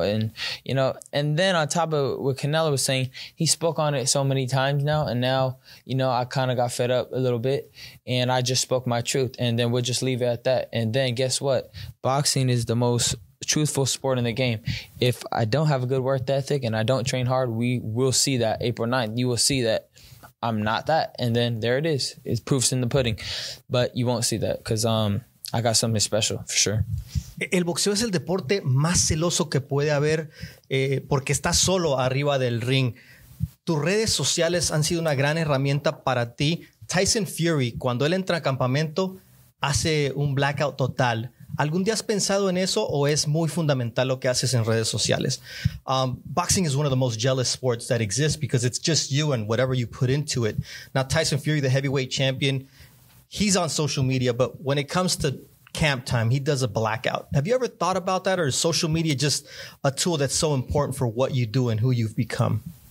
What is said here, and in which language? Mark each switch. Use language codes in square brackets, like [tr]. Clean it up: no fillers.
[en] And you know, and then on top of what Canelo was saying, he spoke on it so many times now, and now, you know, I kind of got fed up a little bit and I just spoke my truth, and then we'll just leave it at that. And then guess what, boxing is the most truthful sport in the game. If I don't have a good work ethic and I don't train hard, we will see that April 9th. You will see that I'm not that. And then there it is. It's proof's in the pudding. But you won't see that because I got something special for sure. [es] El boxeo es el deporte más celoso que puede haber porque está solo arriba del ring. Tus redes sociales han sido una gran herramienta para ti. Tyson Fury, cuando él entra a campamento, hace un blackout total. ¿Algún día has pensado en eso o es muy fundamental lo que haces en redes sociales? [en] Boxing is one of the most jealous sports that exists because it's just you and whatever you put into it. Now, Tyson Fury, the heavyweight champion, he's on social media, but when it comes to camp time, he does a blackout. Have you ever thought about that, or is social media just a tool that's so important for what you do and who you've become?